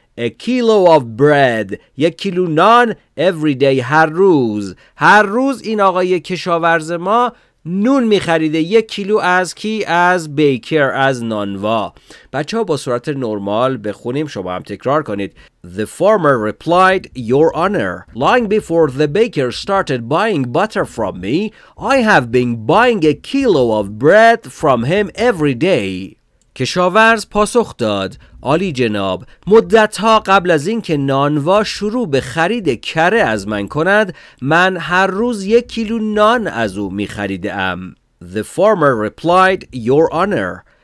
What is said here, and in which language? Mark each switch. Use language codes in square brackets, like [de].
[en] A kilo of bread. [fa] یک کیلو نان, [en] every day. [fa] هر روز. هر روز این آقای کشاورز ما نون می خریده. یک کیلو از کی؟ از بیکر, از نانوا. بچه ها با صورت نرمال بخونیم, شما هم تکرار کنید. [en] The farmer replied, Your honor, long before the baker started buying butter from me, I have been buying a kilo of bread from him every day. [fa] کشاورز پاسخ داد, عالی جناب, مدت ها قبل از این که نانوا شروع به خرید کره از من کند, من هر روز یک کیلو نان از او می خریده ام. [en] The farmer replied, Your honor,